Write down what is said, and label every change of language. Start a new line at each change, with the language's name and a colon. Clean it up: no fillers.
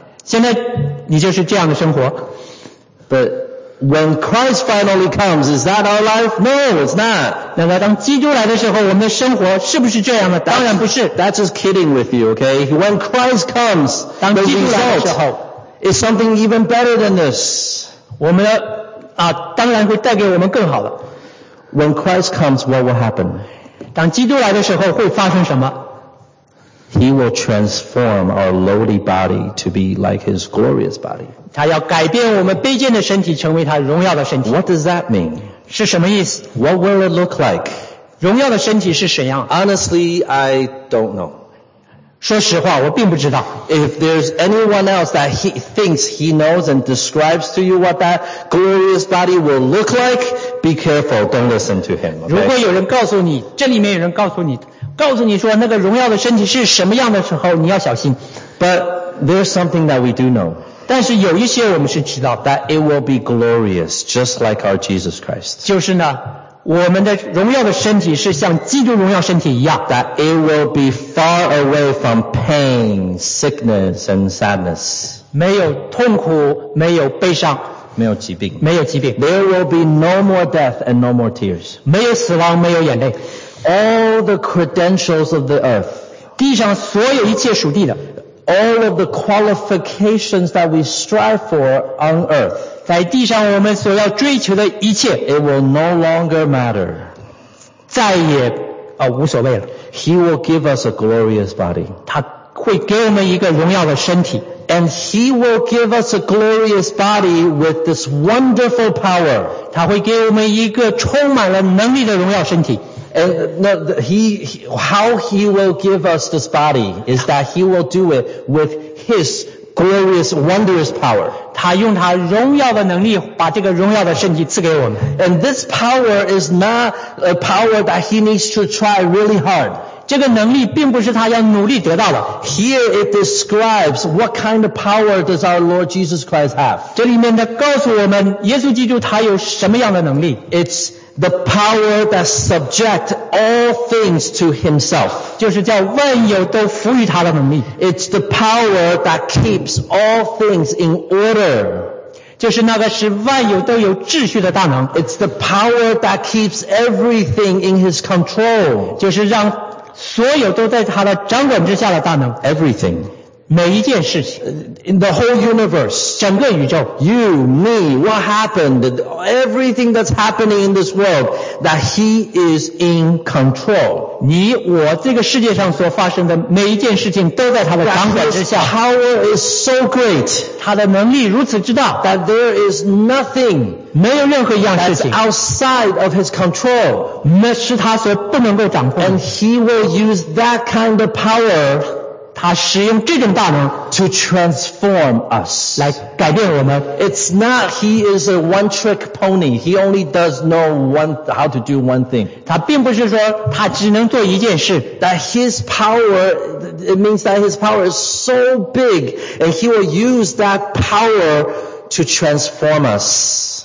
Chinese: 现在你就是这样的生活。
English: But,When Christ finally comes, is that our life? No, it's not.
Chinese: 那么当基督来的时候，我们的生活是不是这样的？当然不是。
English: That's just kidding with you, okay? When Christ comes,
Chinese: 当基督来的时候
English: is something even better than this.
Chinese: 我们的当然会带给我们更好的。
English: When Christ comes, what will happen?
Chinese: 当基督来的时候会发生什么？
English: He will transform our lowly body to be like his glorious body.
Chinese: 他要改变我们卑贱的身体成为他荣耀的身体。
English: What does that mean?
Chinese: 是什么意思？
English: What will it look like?
Chinese: 荣耀的身体是怎样？
English: Honestly, I don't know.
Chinese: 说实话，我并不知道。
English: If there's anyone else that he thinks he knows and describes to you what that glorious body will look like, be careful, don't listen to him.、Okay?
Chinese: 如果有人告诉你，这里面有人告诉你说那个荣耀的身体是什么样的时候，你要小心。
English: But there's something that we do know.
Chinese: 但是有一些我们是知道
English: that it will be glorious just like our Jesus Christ
Chinese: 就是呢我们的荣耀的身体是像基督荣耀身体一样
English: that it will be far away from pain, sickness and sadness
Chinese: 没有痛苦没有悲伤没有疾病没有疾病
English: there will be no more death and no more tears
Chinese: 没有死亡没有眼泪
English: all the credentials of the earth
Chinese: 地上所有一切属地的
English: All of the qualifications that we strive for on earth,
Chinese: 在地上我们所要追求的一切
English: it will no longer matter.
Chinese: 再也无所谓了
English: He will give us a glorious body.
Chinese: 他会给我们一个荣耀的身体
English: And he will give us a glorious body with this wonderful power.
Chinese: 他会给我们一个充满了能力的荣耀身体
English: And no, how he will give us this body is that he will do it with his glorious, wondrous power.
Chinese: 他用他荣耀的能力把这个荣耀的身体赐给我们。
English: And this power is not a power that he needs to try really hard.
Chinese: 这个能力并不是他要努力得到的。
English: Here it describes what kind of power does our Lord Jesus Christ have.
Chinese: 这里面呢告诉我们耶稣基督他有什么样的能力。
English: It's... The power that subjects all things to himself.
Chinese: 就是叫万有都服于他的能力。
English: It's the power that keeps all things in order.
Chinese: 就是那个是万有都有秩序的大能。
English: It's the power that keeps everything in his control.
Chinese: 就是让所有都在他的掌管之下的大能。
English: Everything.
Chinese: 每一件事情。
English: In the whole universe.
Chinese: 整个宇宙。
English: You, me, what happened, everything that's happening in this world, that he is in control.
Chinese: 你我这个世界上所发生的每一件事情都在他的掌管之下。
English: That his power is so great.
Chinese: 他的能力如此之大。
English: That there is nothing.
Chinese: 没有任何一样事情
English: that's outside of his control.
Chinese: 那是他所不能够掌控的。
English: And he will use that kind of power.
Chinese: 他使用这种大能
English: to transform us.
Chinese: 来改变我们。
English: It's not he is a one-trick pony. He only does know one, how to do one thing.
Chinese: 他并不是说他只能做一件事。
English: That his power, it means that his power is so big, and he will use that power to transform us.